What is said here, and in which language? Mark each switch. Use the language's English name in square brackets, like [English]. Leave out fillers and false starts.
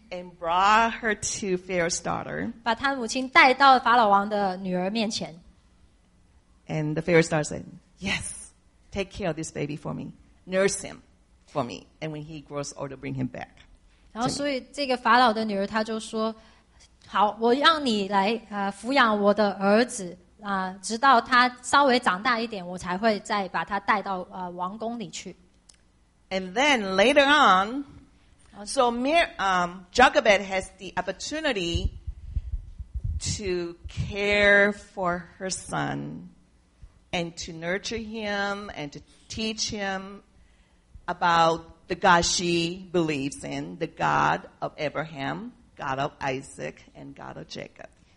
[English] and brought her to Pharaoh's daughter. [Chinese] 把他母亲带到法老王的女儿面前。 [English] And the Pharaoh's daughter said, "Yes, take care of this baby for me. Nurse him for me. And when he grows older, bring him back." [Chinese] 然后所以这个法老的女儿她就说，好，我让你来抚养我的儿子，直到他稍微长大一点，我才会再把他带到王宫里去。 [English] And then later on, so Jochebed has the opportunity to care for her son and to nurture him and to teach him about the God she believes in, the God of Abraham, God of Isaac, and God of Jacob.